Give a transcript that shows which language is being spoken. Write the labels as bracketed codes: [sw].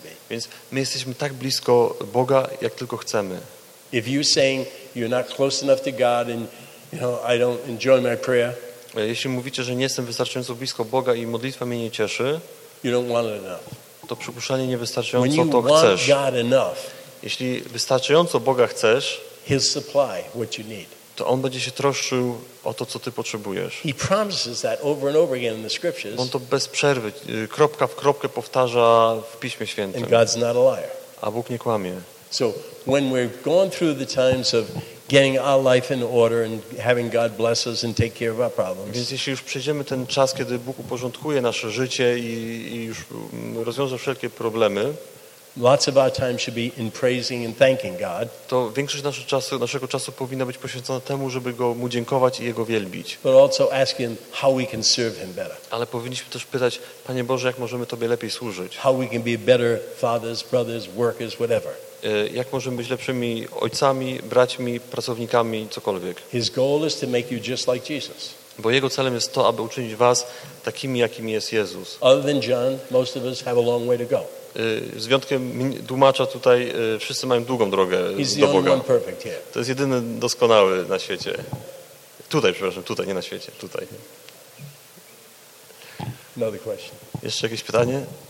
[pl] Więc my jesteśmy tak blisko Boga, jak tylko chcemy. [en] If you're saying you're not close enough to God and you know I don't enjoy my prayer, [pl] jeśli mówicie, że nie jestem wystarczająco blisko Boga i modlitwa mnie nie cieszy, [en] you don't want it enough. [pl] To przypuszczalnie niewystarczająco [en] when [pl] to [en] you want [pl] chcesz. [en] God enough, [pl] jeśli wystarczająco Boga chcesz, [en] he'll supply what you need. [pl] To on będzie się troszczył o to, co ty potrzebujesz. [en] He promises that over and over again in the scriptures. [pl] On to bez przerwy, kropka w kropkę powtarza w Piśmie Świętym. [en] And God's not a liar. [pl] A Bóg nie kłamie. [en] So when we've gone through the times of getting our life in order and having God bless us and take care of our problems. [pl] Więc jeśli już przejdziemy ten czas, kiedy Bóg uporządkuje nasze życie i już rozwiąże wszelkie problemy, [en] lots of our time should be in praising and thanking God. [pl] To większość naszego czasu powinna być poświęcona temu, żeby go mu dziękować i jego wielbić. [en] But also ask him how we can serve him better. [pl] Ale powinniśmy też pytać, Panie Boże, jak możemy Tobie lepiej służyć? [en] How we can be better fathers, brothers, workers, whatever. [pl] Jak możemy być lepszymi ojcami, braćmi, pracownikami, cokolwiek. [en] His goal is to make you just like Jesus. [pl] Bo jego celem jest to, aby uczynić was takimi, jakimi jest Jezus. [en] Other than John, most of us have a long way to go. [pl] Z wyjątkiem tłumacza tutaj wszyscy mają długą drogę do Boga. To jest jedyny doskonały na świecie. Tutaj, nie na świecie, tutaj. [en] Another question. [pl] Jeszcze jakieś pytanie?